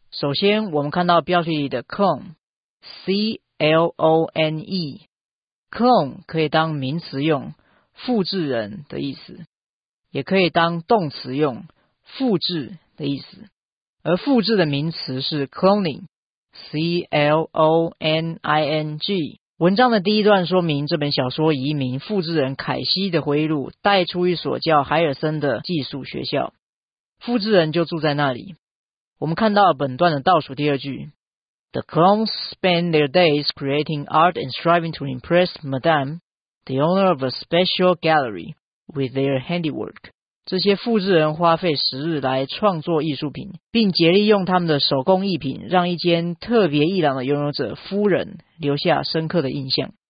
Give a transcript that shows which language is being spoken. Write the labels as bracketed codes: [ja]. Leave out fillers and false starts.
[zh] 首先，我们看到标题里的 clone，C-L-O-N-E， clone 可以当名词用，复制人的意思，也可以当动词用，复制的意思，而复制的名词是 cloning，C-L-O-N-I-N-G。文章的第一段说明这本小说以一名复制人凯西的回忆录带出一所叫海尔森的寄宿学校，复制人就住在那里。 [en] 我们看到本段的倒数第二句，The clones spend their days creating art and striving to impress Madame, the owner of a special gallery, with their handiwork。 [zh] 这些复制人花费时日来创作艺术品，并竭力用他们的手工艺品让一间特别伊朗的拥有者夫人留下深刻的印象。